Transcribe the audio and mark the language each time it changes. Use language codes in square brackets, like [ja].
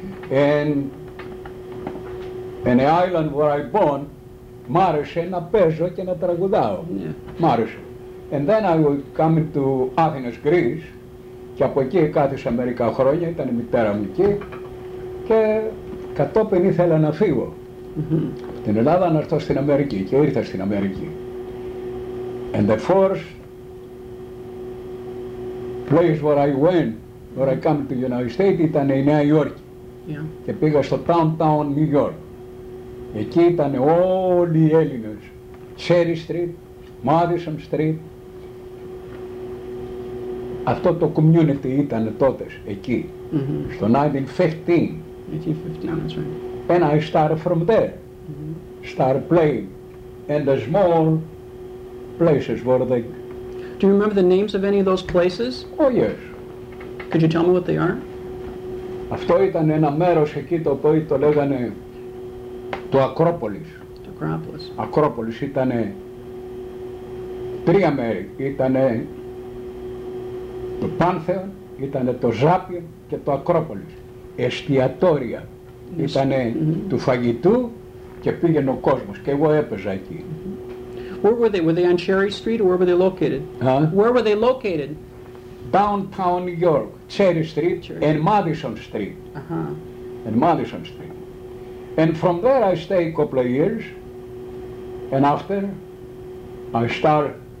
[en] And in the island where I born, [el] μ' άρεσε να παίζω και να τραγουδάω. Μ' άρεσε. [en] And then I would come to Athens, Greece. [el] Και από εκεί κάθισα μερικά χρόνια. Ήταν η μητέρα μου εκεί. Και κατόπιν ήθελα να φύγω. Mm-hmm. Την Ελλάδα να έρθω στην Αμερική. Και ήρθα στην Αμερική. [en] And the first place where I went, where I came to the United States, [el] ήταν η Νέα Υόρκη. [en] Yeah. [el] Και πήγα στο downtown New York. Εκεί ήταν όλοι οι Έλληνες. [en] Cherry Street, Madison Street. [el] Αυτό το community ήταν τότε, εκεί. Mm-hmm. Στο 1915. [en] 1915, that's right. And I started from there. Mm-hmm. Started playing. And the small places where they... Do you remember the names of any of those places? Oh, yes. Could you tell me what they are? [el] Αυτό ήταν ένα μέρος εκεί το οποίο το λέγανε το Ακρόπολης. Το Ακρόπολης. Ακρόπολης ήταν τρία μέρη. Ήταν το Πάνθεον, ήταν το Ζάπιο και το Ακρόπολης. Εστιατόρια. Ήταν του φαγητού και πήγαινε ο κόσμος και εγώ έπαιζα εκεί. [en] Where were they? Were they on Cherry Street or where were they located? Huh? Where were they located? Downtown New York, Cherry Street, and Madison Street. Uh-huh. And Madison Street. And from there I stayed a couple of years. And after, I start...